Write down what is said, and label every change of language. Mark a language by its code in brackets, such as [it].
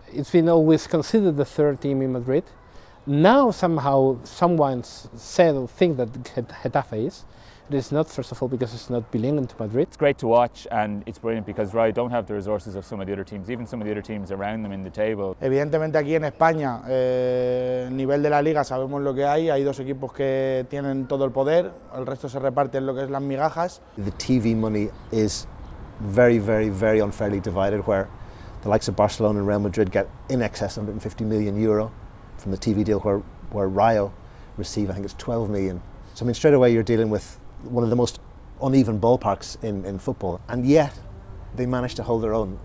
[en] It's been always considered the third team in Madrid. Now somehow someone said or think that Getafe is. It is not, first of all, because it's not belonging to Madrid. It's great to watch and it's brilliant because Rayo don't have the resources of some of the other teams, even some of the other teams around them in the table. [es] Evidentemente aquí en España, nivel de la liga sabemos lo que hay. Hay dos equipos que tienen todo el poder. El resto se reparte en lo que es las migajas. [en] The TV money is very, very, very unfairly divided, where the likes of Barcelona and Real Madrid get in excess of 150 million euro from the TV deal, where Rayo receive, I think it's 12 million. So, I mean, straight away you're dealing with one of the most uneven ballparks in football, and yet they managed to hold their own.